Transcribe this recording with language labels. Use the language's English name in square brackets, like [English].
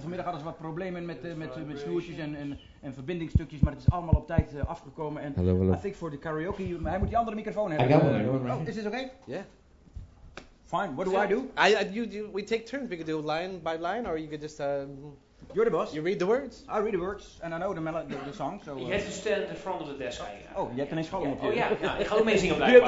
[Dutch] Vanmiddag hadden ze wat problemen met snoertjes en verbindingstukjes, maar het is allemaal op tijd afgekomen. En [English] hello. I think for the karaoke, [Dutch] hij moet die andere microfoon hebben. [English] I got one. Oh, is this okay? Yeah. Fine, what do I do? We take turns, we could do line by line, or you could just... You're the boss. You read the words. I read the words, and I know the song, so... You have to stand in front of the desk. [Dutch] Oh, je hebt ineens gewoon op je. Oh ja, ik ga ook mee zingen blijkbaar.